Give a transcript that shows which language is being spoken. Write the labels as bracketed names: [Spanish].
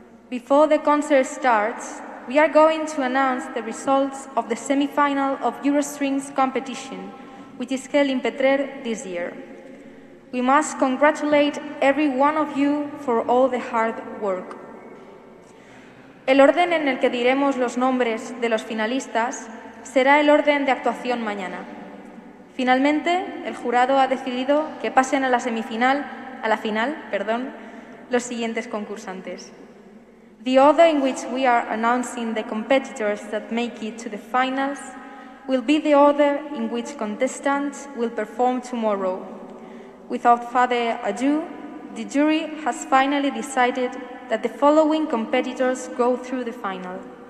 [English] Before the concert starts, we are going to announce the results of the semi-final of Eurostrings competition, which is held in Petrer this year. We must congratulate every one of you for all the hard work. [Spanish] El orden en el que diremos los nombres de los finalistas será el orden de actuación mañana. Finalmente, el jurado ha decidido que pasen a la semifinal, a la final, perdón, los siguientes concursantes. [English] The order in which we are announcing the competitors that make it to the finals will be the order in which contestants will perform tomorrow. Without further ado, the jury has finally decided that the following competitors go through the final.